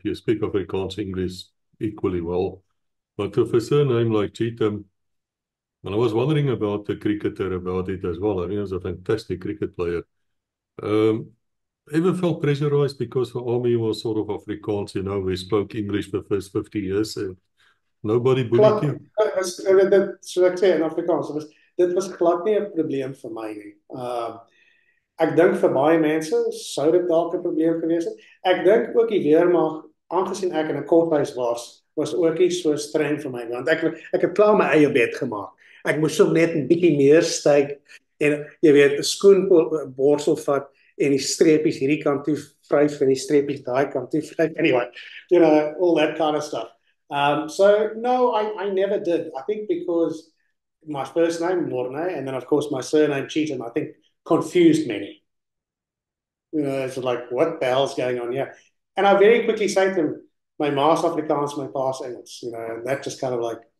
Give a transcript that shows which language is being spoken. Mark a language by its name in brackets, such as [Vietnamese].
[English] You speak Afrikaans, English equally well. But with a surname like Cheetham, and I was wondering about the cricketer about it as well. I mean, he was a fantastic cricket player. Ever felt pressurized because the army was sort of Afrikaans? You know, we spoke English the first 50 years and nobody bullied [Afrikaans] Klap, [English] you. [Afrikaans] dit was glad nie 'n probleem vir my nie. Ek dink vir baie mense sou dit dalk 'n probleem gewees het. Ek dink ook die weermag, aangesien ek in 'n korthuis was ook nie so streng vir my, want ek het klaar my eie bed gemaak. Ek moes hom net 'n bietjie meer styk en jy weet, 'n skoen borsel vat en die streepies hierdie kant toe vryf en die streepies daai kant toe vryf. [English] Anyway, all that kind of stuff. So no, I never did. I think because my first name, Morne, and then of course my surname, Cheetham, I think confused many. It's like, what the hell's going on here? And I very quickly say to them, my ma's Afrikaans, my pa's English, and that just kind of like